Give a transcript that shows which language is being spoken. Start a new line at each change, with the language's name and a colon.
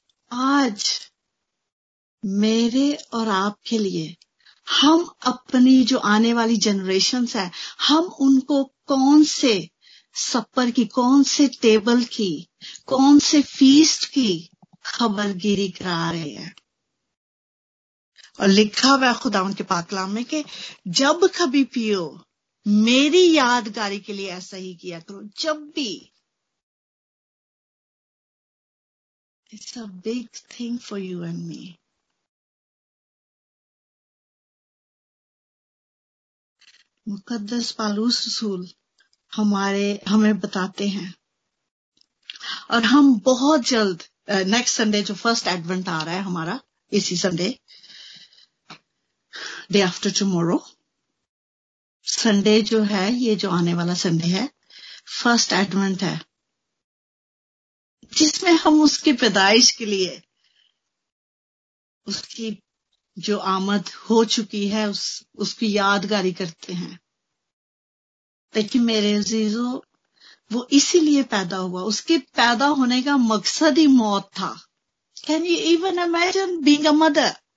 Urdu: آج میرے اور آپ کے لیے، ہم اپنی جو آنے والی جنریشنز ہیں، ہم ان کو کون سے سپر کی، کون سے ٹیبل کی، کون سے فیسٹ کی خبر گیری کرا رہے ہیں. اور لکھا ہوا خدا ان کے پاکلام میں کہ جب کبھی پیو میری یادگاری کے لیے ایسا ہی کیا کرو. جب بھی،
English: It's a big thing for you and me.
Urdu: مقدس پالوس رسول ہمیں بتاتے ہیں، اور ہم بہت جلد نیکسٹ سنڈے جو فرسٹ ایڈونٹ آ رہا ہے ہمارا، اسی Sunday,
English: day after tomorrow Sunday
Urdu: جو ہے، یہ جو آنے والا سنڈے ہے، فرسٹ ایڈونٹ ہے، جس میں ہم اس کی پیدائش کے لیے، اس کی جو آمد ہو چکی ہے، اس کی یادگاری کرتے ہیں. دیکھیں میرے عزیزو، وہ اسی لیے پیدا ہوا، اس کے پیدا ہونے کا مقصد ہی موت تھا.
English: Can you even imagine being a mother?